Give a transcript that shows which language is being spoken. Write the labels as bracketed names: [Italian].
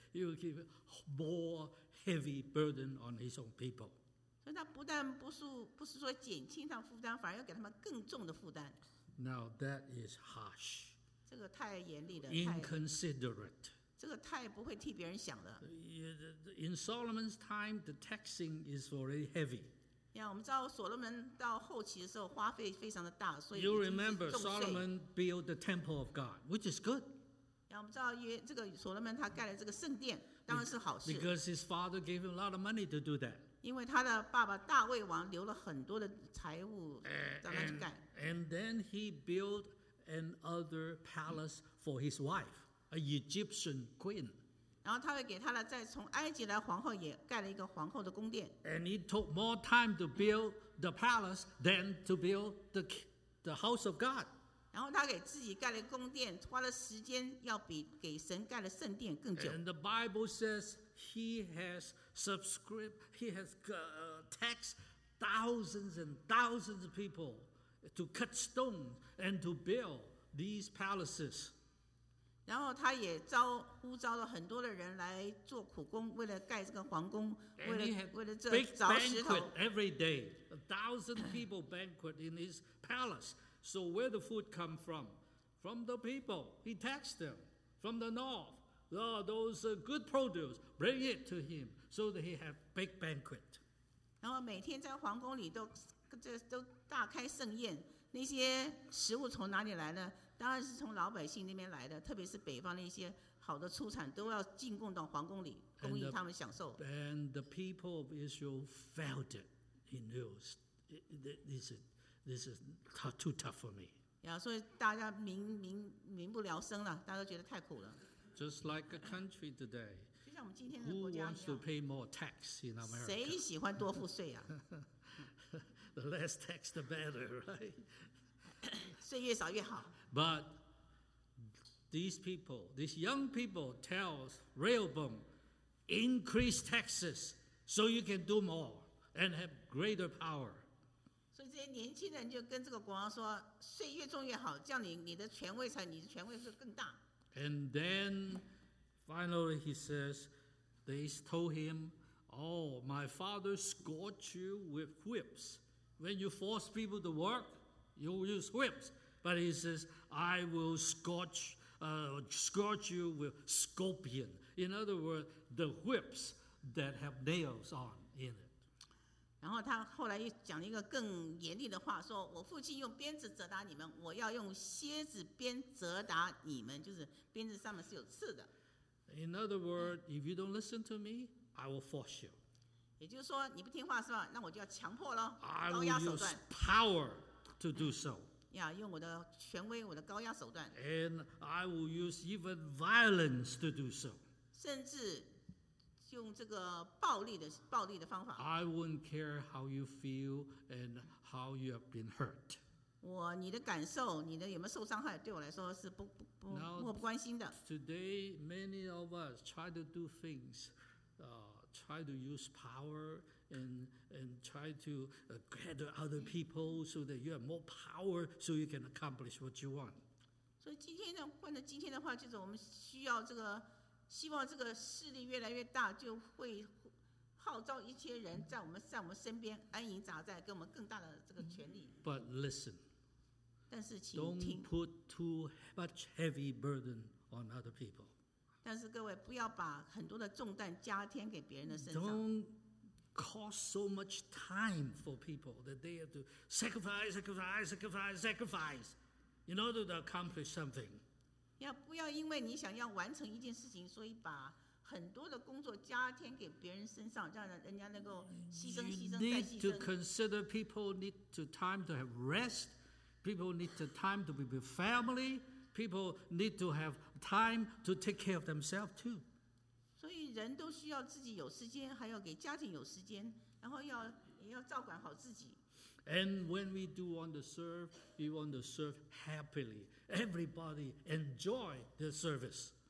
[English] He will give more heavy burden on his own people. [Chinese] 所以他不但不是说减轻他负担，反而要给他们更重的负担。 [English] Now that is harsh. [Chinese] 这个太严厉了。 [English] Inconsiderate. [Chinese] 这个太不会替别人想了。 [English] In Solomon's time, the taxing is already heavy. [Chinese] 呀，我们知道所罗门到后期的时候花费非常的大，所以 [English] You remember Solomon built the temple of God, which is good. [Chinese] 我们知道这个所罗门他盖了这个圣殿当然是好事。 [English] Because his father gave him a lot of money to do that. [Chinese] 因为他的爸爸大卫王留了很多的财物让他去盖。 [English] And then he built another palace for his wife, a Egyptian queen. [Chinese] 然后他会给他的再从埃及来皇后也盖了一个皇后的宫殿。 [English] And it took more time to build the palace than to build the house of God. [Chinese] 然后他给自己盖了宫殿，花的时间要比给神盖的圣殿更久。 [English] And the Bible says he has subscribed, he has taxed thousands and thousands of people to cut stone and to build these palaces. [Chinese] 然后他也呼召了很多的人来做苦工，为了盖这个皇宫，为了这凿石头。 [English] Big banquet every day, 1,000 people banquet in his palace. So where the food come from? From the people. He taxed them from the north. Oh, those good produce, bring it to him so that he have big banquet. [Chinese] 然后每天在皇宫里都大开盛宴。那些食物从哪里来呢？当然是从老百姓那边来的，特别是北方那些好的出产都要进贡到皇宫里，供应他们享受。 [English] And the people of Israel felt it. He knows this is too tough for me. [Chinese] Yeah, 所以大家民不聊生了，大家都觉得太苦了。 [English] Just like a country today. [Chinese] 就像我们今天的国家一样。 [English] Who wants to pay more tax in America? [Chinese] 谁喜欢多付税啊？ [English] The less tax, the better, right? [Chinese] 税越少越好。 [English] But these people, these young people, tell Rehoboam, increase taxes so you can do more and have greater power. [Chinese] 所以这些年轻人就跟这个国王说，税越重越好，这样你的权位是更大。 [English] And then finally he says, they told him, oh, my father scorched you with whips. When you force people to work, you use whips. But he says, I will scorch you with scorpion. In other words, the whips that have nails on in it. [Chinese] 然后他后来又讲了一个更严厉的话，说我父亲用鞭子责打你们，我要用蝎子鞭责打你们，就是鞭子上面是有刺的。 [English] In other words, if you don't listen to me, I will force you. [Chinese] 也就是说你不听话是吧，那我就要强迫了，高压手段。 [English] I will use power to do so. [Chinese] 要用我的权威，我的高压手段。 [English] And I will use even violence to do so. [Chinese] 甚至用这个暴力的方法。 [English] I wouldn't care how you feel and how you have been hurt. [Chinese] 你的感受，你的有没有受伤害，对我来说是不关心的。 [English] Today, many of us try to do things, try to use power and try to gather other people so that you have more power so you can accomplish what you want. [Chinese] 所以今天的话，就是我们需要这个。希望这个势力越来越大，就会号召一些人在我们身边安营扎寨，给我们更大的这个权力。 [English] But listen, [Chinese] 但是请听。 [English] Don't put too much heavy burden on other people. [Chinese] 但是各位不要把很多的重担加添给别人的身上。 [English] Don't cost so much time for people that they have to sacrifice in order to accomplish something. [Chinese] 要不要因为你想要完成一件事情，所以把很多的工作加添给别人身上，让人家能够牺牲、牺牲再牺牲。 [English] You need to consider people need to time to have rest. People need to time to be with family. People need to have time to take care of themselves too. [Chinese] 所以人都需要自己有时间，还要给家庭有时间，然后要也要照管好自己。 [English] And when we do want to serve, we want to serve happily. Everybody enjoy the service.